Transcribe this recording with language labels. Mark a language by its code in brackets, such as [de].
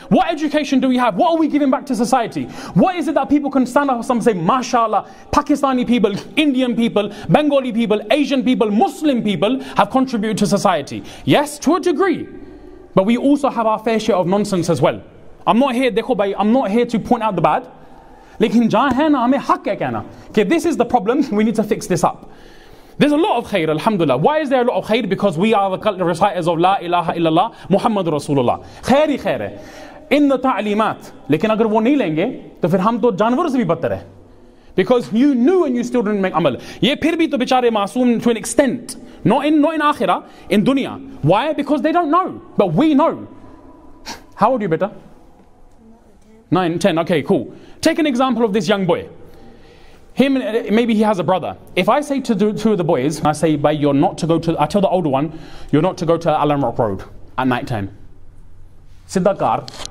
[en] What education do we have? What are we giving back to society? What is it that people can stand up and say, mashallah, Pakistani people, Indian people, Bengali people, Asian people, Muslim people have contributed to society? Yes, to a degree. But we also have our fair share of nonsense as well. I'm not here, [ur] dekho bhai, [en] I'm not here to point out the bad. [ur] لیکن جہاں ہے نا, ہمیں حق ہے کہنا. [en] Okay, this is the problem, we need to fix this up. There's a lot of khair, alhamdulillah. Why is there a lot of khair? Because we are the reciters of La ilaha illallah, Muhammad Rasulullah. [ur] خیر ہی خیر ہے. [en] In the ta'limat. [ur] لیکن اگر وہ نہیں لیں گے, تو پھر ہم تو جانور سے بھی بدتر ہے. [en] Because you knew and you still didn't make amal. [ur] یہ پھر بھی تو بیچارے معصوم [en] to an extent. Not in akhirah, in dunya. Why? Because they don't know. But we know. How old are you, beta? 9, 10, okay, cool. Take an example of this young boy. Him, maybe he has a brother. If I say to two of the boys, I say, "But you're not to go to," I tell the older one, "You're not to go to Alam Rock Road at night time." Siddhakar.